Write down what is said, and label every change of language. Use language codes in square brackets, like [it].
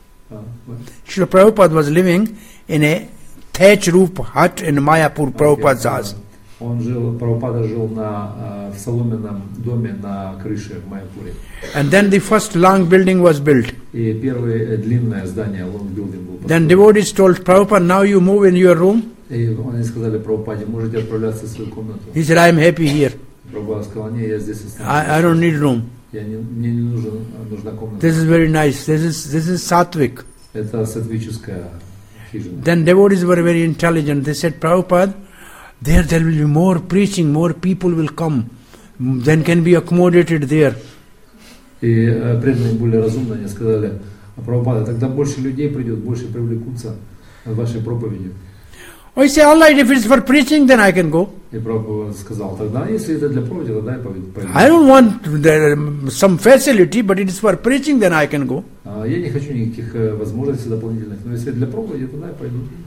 [en] Srila Prabhupada was living in a thatch roof hut in Mayapur, Prabhupada's house. [ru] Prabhupada жил в соломенном доме на крыше в Майяпуре. [en] And then the first long building was built. [ru] И первое длинное здание, [en] long building, [ru] был построен. [en] Then devotees told Prabhupada, now you move in your room. [ru] И они сказали Прабхупаде, можете отправляться в свою комнату. [en] He said, I am happy here. [ru] Прабхупада сказал, нет, я здесь останусь. [en] I don't need room. [ru] Мне не нужна комната. [en] This is very nice. This is sattvic. [ru] Это сатвическая хижина. [en] Then devotees were very intelligent. They said, Prabhupada, There will be more preaching, more people will come, then can be accommodated there. [ru] И преданные были разумны, они сказали, Прабхупада, тогда больше людей придет, больше привлекутся к вашей проповеди. [en] I say, all right, if it's for preaching, then I can go. [ru] И Прабхупада сказал, тогда, если это для проповеди, тогда я пойду. [en] I don't want some facility, but it is for preaching, then I can go. [ru] Я не хочу никаких возможностей дополнительных, но если для проповеди, тогда я пойду.